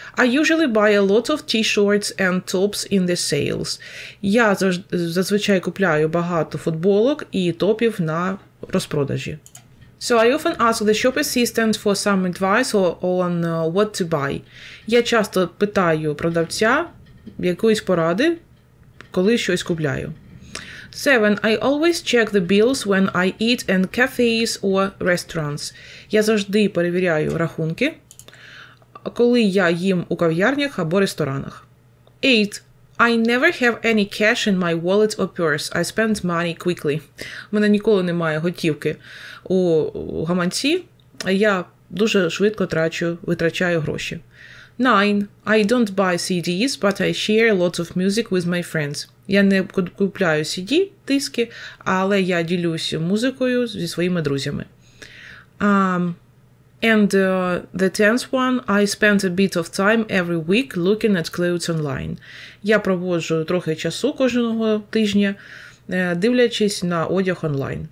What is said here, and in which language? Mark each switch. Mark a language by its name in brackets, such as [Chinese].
[English] I usually buy a lot of t-shirts and tops in the sales. [Ukrainian] Я зазвичай купляю багато футболок і топів на розпродажі. [English] So I often ask the shop assistant for some advice on what to buy. [Ukrainian] Я часто питаю продавця якоїсь поради, коли щось купляю. [English] 7. I always check the bills when I eat in cafes or restaurants. [Ukrainian] Я завжди перевіряю рахунки, коли я їм у кав'ярнях або ресторанах. [English] 8. I never have any cash in my wallet or purse. I spend money quickly. [Ukrainian] У мене ніколи немає готівки у гаманці, а я дуже швидко витрачаю гроші. [English] 9. I don't buy CDs, but I share lots of music with my friends. [Ukrainian] Я не купляю CD-диски, але я ділюся музикою зі своїми друзями. [English] The 10th one, I spend a bit of time every week looking at clothes online. [Ukrainian] Я проводжу трохи часу кожного тижня, дивлячись на одяг онлайн.